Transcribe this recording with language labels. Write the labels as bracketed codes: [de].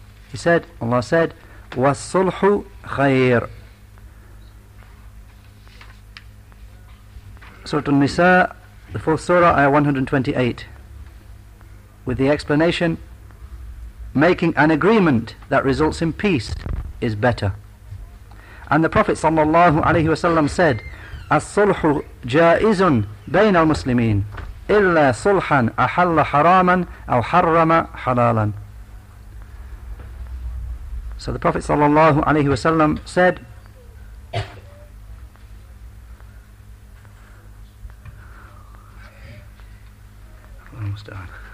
[en] He said, Allah said, [ar] وَالصُّلْحُ خَيْرٌ. [en] Surah An-Nisa, the fourth surah, ayah 128. With the explanation, making an agreement that results in peace is better. And the Prophet sallallahu alaihi wasallam said, [ar] الصُّلْحُ جَائِزٌ بَيْنَ الْمُسْلِمِينَ إِلَّا صُلْحًا أَحَلَّ حَرَامًا أَوْ حَرَّمَ حَلَالًا. [en] So the Prophet sallallahu alaihi wasallam said, almost done.